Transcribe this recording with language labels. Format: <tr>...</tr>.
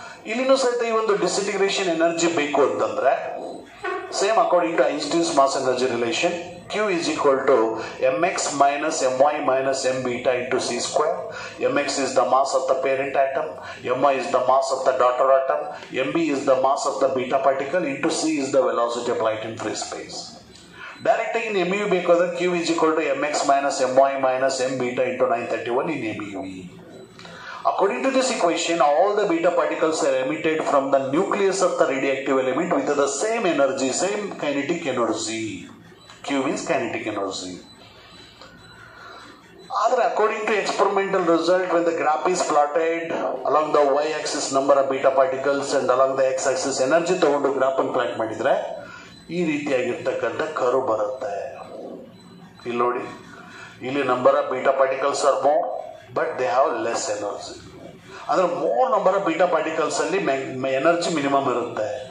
<kn>ಇಲ್ಲಿನೂ ಸಹಿತ ಈ ಒಂದು</kn> <en>disintegration energy</en> <kn>ಬೇಕು ಅಂತಂದ್ರೆ,</kn> <en>Same according to Einstein's mass energy relation, Q=mx minus my minus m beta into C² mx is the mass of the parent atom, my is the mass of the daughter atom, mb is the mass of the beta particle into C is the velocity of light in free space.</en> <kn>Direct ಆಗಿ</kn> <en>in M E</en> <kn>ಬೇಕಾದ್ರೆ</kn> <en>Q=mx minus my minus m beta into 931 in MeV. According to this equation, all the beta particles are emitted from the nucleus of the radioactive element with the same energy, same kinetic energy. Q means kinetic energy.</en> <kn>ಆದರೆ</kn> <en>according to experimental result, when the graph is plotted along the Y axis number of beta particles and along the X axis energy</en> <kn>ತಗೊಂಡು graph ಅನ್ನು plot ಮಾಡಿದ್ರೆ ಈ ರೀತಿಯಾಗಿರ್ತಕ್ಕಂಥ curve ಬರುತ್ತೆ. ಇಲ್ಲಿ ನೋಡಿ, ಇಲ್ಲಿ</kn> <en>number of beta particles are more but they have less energy,</en> <kn>ಅಂದರೆ more number of beta ಪಾರ್ಟಿಕಲ್ಸಲ್ಲಿ energy minimum ಇರುತ್ತೆ.</kn>